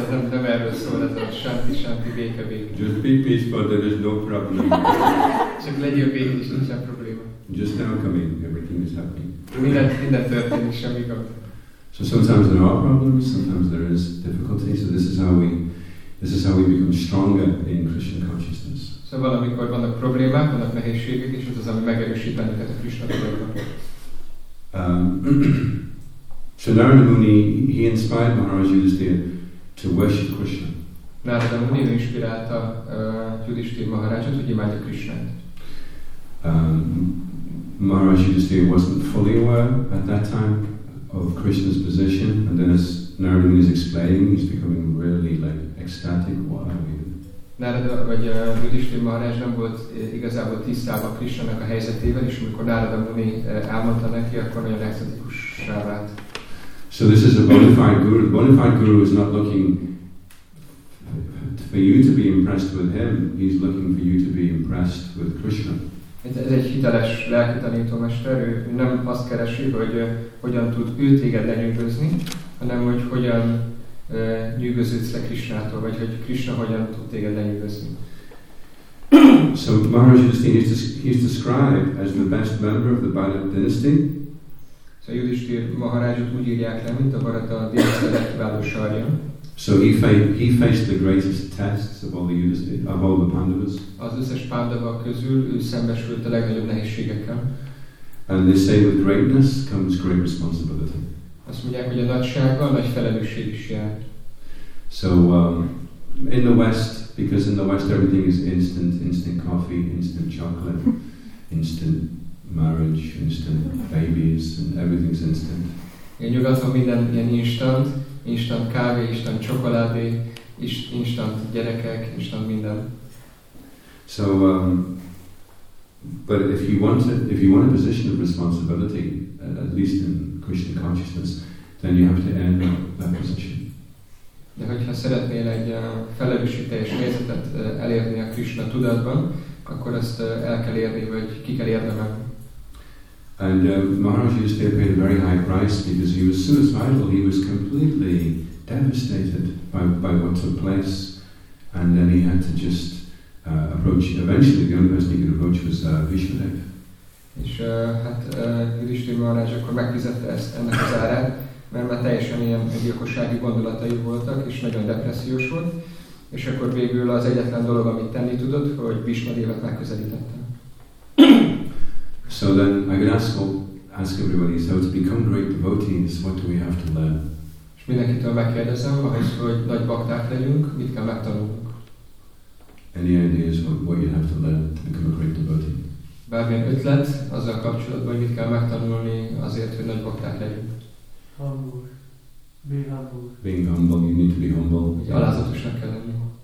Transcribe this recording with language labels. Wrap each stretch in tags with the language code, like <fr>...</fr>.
<hu>Nem erről szól, ez a shanti, shanti, béke, béke.</hu> <en>Just be peaceful, there is no problem.</en> <hu>Csak legyél békés, nincsen probléma.</hu> <en>Just now coming, everything is happening.</en> <hu>Minden történik, semmi gond.</hu> <en>So sometimes there are problems, sometimes there is difficulty. So this is how we become stronger in Krishna consciousness.</en> <hu>So valamikor vannak problémák, vannak nehézségek, és ez az, ami megerősít bennünket a Krishna tudatban.</hu> <en>So Narada Muni, he inspired Maharaj Yudhisthira to worship Krishna.</en> <hu>Narada Muni inspirálta Yudhisthira Maharajot, hogy imádja Krishnát.</hu> <en>Maharaj Yudhisthira wasn't fully aware at that time of Krishna's position, and then as Narada Muni is explaining, he's becoming really like ecstatic. What are we doing?</en> <hu>Narada vagy Yudhisthira Maharaj nem volt igazából tisztában Krishnának a helyzetével, és amikor Narada Muni elmondta neki, akkor nagyon ecstatikussá vált.</hu> <en>So this is a bona fide guru. The bona fide guru is not looking for you to be impressed with him. He's looking for you to be impressed with Krishna.</en> <hu>Ez egy hiteles lelki tanítómester, ő nem azt keresi, hogy hogyan tud ő téged lenyűgözni, hanem hogy hogyan nyűgöződsz le Krishnától, vagy hogy Krishna hogyan tud téged lenyűgözni.</hu> <en>So Maharaj Yudhisthira is described as the best member of the Bharata dynasty.</en> <hu>So Yudhisthira Maharajot úgy írják le, mint a Bharata dinasztia legkiváló sarja.</hu> <en>So he faced the greatest tests of all the Pandavas.</en> <hu>Az összes Pandava közül ő szembesült a legnagyobb nehézségekkel.</hu> <en>And they say with greatness comes great responsibility.</en> <hu>Azt mondják, hogy a nagysággal nagy felelősség is jár.</hu> <en>So in the West, because in the West everything is instant coffee, instant chocolate, instant marriage, instant babies, and everything's instant.</en> <hu>Én nyugaton minden ilyen instant. Instant kávé, instant csokoládé, instant gyerekek, instant minden.</hu> <en>So, but if you want a position of responsibility, at least in Krishna consciousness, then you have to earn that position.</en> <hu>De hogyha szeretnél egy felelősségteljes helyzetet elérni a Krishna tudatban, akkor ezt el kell érni, vagy ki kell érdemel.</hu> <en>And Maharaj Yudhisthira paid a very high price because he was suicidal. He was completely devastated by what took place, and then he had to just approach. Eventually, the only person he could approach was Vishvadev.</en> <hu>És hát Yudhisthira Maharaj akkor megfizette ezt ennek az árát, mert már teljesen ilyen gyilkossági gondolatai voltak, és nagyon depressziós volt. És akkor végül az egyetlen dolog, amit tenni tudott, hogy Vishvadevet megközelítette.</hu> <en>So then I could ask everybody, so to become great devotees, what do we have to learn?</en> <hu>És mindenkitől megkérdezem, ahhoz, hogy nagy bakták legyünk, mit kell megtanulnunk?</hu> <en>Any ideas of what you have to learn to become a great devotee?</en> <hu>Bármilyen ötlet azzal kapcsolatban, hogy mit kell megtanulni azért, hogy nagy bakták legyünk?</hu> <en>Humble. Being humble, you need to be humble.</en> <hu>Hogy alázatosnak kell lenni.</hu>